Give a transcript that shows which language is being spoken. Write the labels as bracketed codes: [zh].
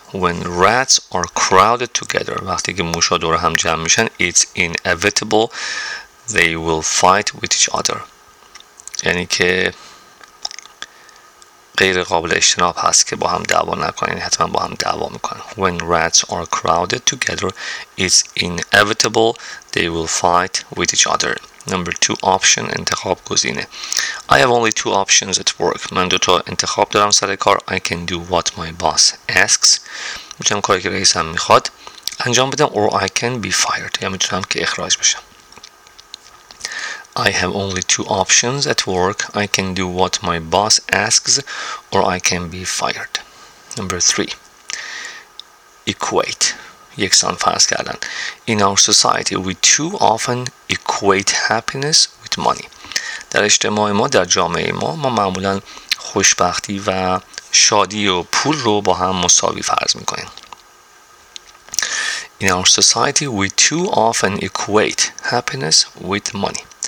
[en] When rats are crowded together, [fa] وقتی که موشا دور هم جمع میشن, [en] it's inevitable they will fight with each other. [fa] یعنی که غیر قابل اجتناب هست که با هم دعوا نکنن, حتما با هم دعوا میکنن. [en] When rats are crowded together, it's inevitable they will fight with each other. Number two, option, [fa] انتخاب, گزینه. [en] I have only two options at work. [fa] من دو تا انتخاب دارم سر کار. [en] I can do what my boss asks. [fa] میتونم کاری که رئیسم میخواد انجام بدم. [en] Or I can be fired. [fa] یا میتونم که اخراج بشم. [en] I have only two options at work. I can do what my boss asks. Or I can be fired. Number three, equate. [fa] یکسان فرض کردن. [en] In our society, we too often equate happiness with money. [fa] در اجتماع ما, در جامعه ما, ما معمولا خوشبختی و شادی و پول رو با هم مساوی فرض میکنیم. [en] In our society, we too often equate happiness with money.